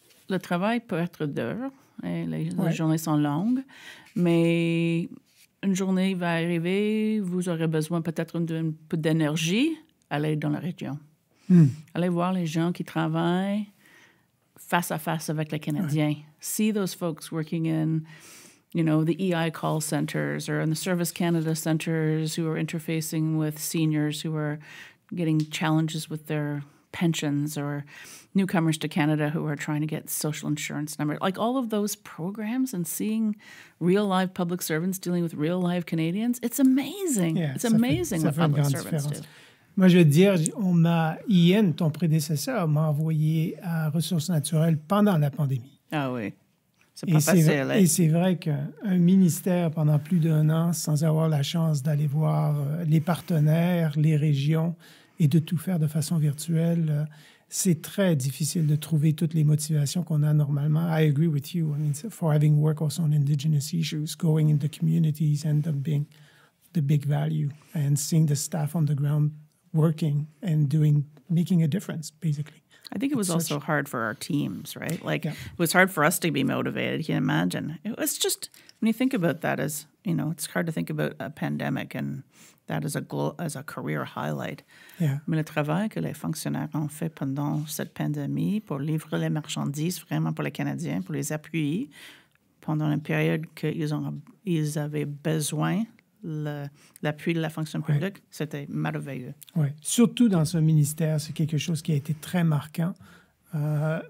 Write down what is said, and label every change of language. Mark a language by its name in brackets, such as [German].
[French] Le travail peut être dur, et les journées sont longues, mais une journée va arriver, vous aurez besoin peut-être d'un peu d'énergie, aller dans la région. Mm. Aller voir les gens qui travaillent face à face avec les Canadiens. [English] Right. See those folks working in, you know, the EI call centers or in the Service Canada centers who are interfacing with seniors who are getting challenges with their pensions or newcomers to Canada who are trying to get social insurance numbers. Like all of those programs and seeing real live public servants dealing with real live Canadians, it's amazing. Yeah, it's amazing [French] fait, [English] what public servants do. [French] Moi, je veux dire, on m'a, Ian, ton prédécesseur, m'a envoyé à Ressources naturelles pendant la pandémie. Ah oui. Et c'est vrai qu'un ministère pendant plus d'un an, sans avoir la chance d'aller voir les partenaires, les régions, et de tout faire de façon virtuelle, c'est très difficile de trouver toutes les motivations qu'on a normalement. [English] I agree with you. I mean, for having work also on Indigenous issues, going into communities end up being the big value and seeing the staff on the ground working and doing, making a difference, basically. I think it was also hard for our teams, right? Like, yeah. It was hard for us to be motivated, you can imagine. It was just, when you think about that as, you know, it's hard to think about a pandemic and that as a career highlight. Yeah. [French] Mais le travail que les fonctionnaires ont fait pendant cette pandémie pour livrer les marchandises vraiment pour les Canadiens, pour les appuyer pendant une période qu'ils avaient besoin, l'appui de la fonction publique, ouais. C'était merveilleux. Oui, surtout dans ce ministère, c'est quelque chose qui a été très marquant quand